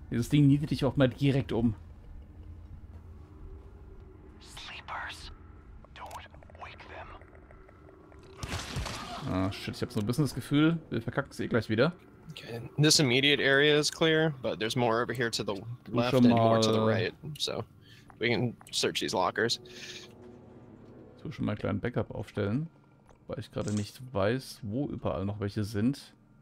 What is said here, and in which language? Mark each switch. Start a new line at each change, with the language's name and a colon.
German: Dieses Ding niedert dich auch mal direkt um.
English: Sleepers. Don't wake them. Ah, shit,
German: ich hab so ein bisschen das Gefühl, wir verkacken es eh gleich wieder.
English: Okay. This immediate area is clear, but there's more over here to the left and more to the right. So. We can search these lockers.
German: So, schon mal einen kleinen Backup aufstellen, weil ich gerade nicht weiß, wo überall noch welche sind.